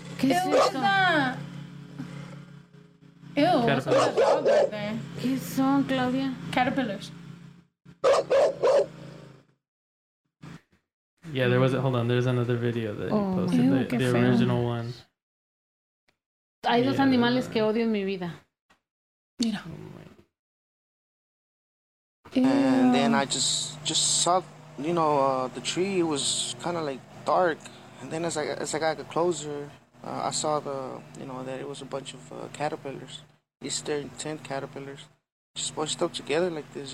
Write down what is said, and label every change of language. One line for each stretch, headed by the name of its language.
Spanish: ¿Qué es eso? Ew, ew. ¿Qué son, Claudia?
English: Caterpillars. Yeah, there was another video that you posted, the original one.
Spanish: Hay dos animales que odio en mi vida. Mira.
English: And then I just saw, you know, the tree. It was kind of like dark. And then as I got closer, I saw the, you know, that it was a bunch of caterpillars, Eastern tent caterpillars, just bunched up together like this.